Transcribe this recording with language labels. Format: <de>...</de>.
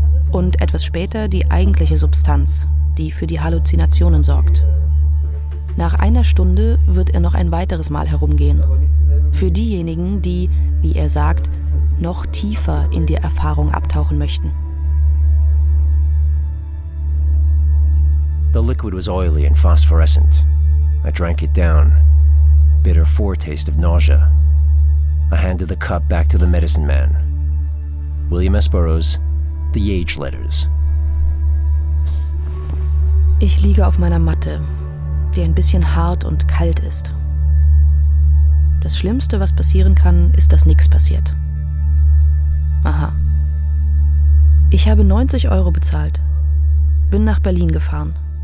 <de>Und etwas später die eigentliche Substanz, die für die Halluzinationen sorgt. Nach einer Stunde wird er noch ein weiteres Mal herumgehen. Für diejenigen, die, wie er sagt, noch tiefer in die Erfahrung abtauchen möchten.</de> <en>The liquid was oily and phosphorescent. I drank it down. Bitter foretaste of nausea. I handed the cup back to the medicine man. William S. Burroughs, The Yage Letters.</en> <de>Ich liege auf meiner Matte, die ein bisschen hart und kalt ist. Das Schlimmste, was passieren kann, ist, dass nichts passiert. Aha. Ich habe 90 Euro bezahlt. Bin nach Berlin gefahren.</de>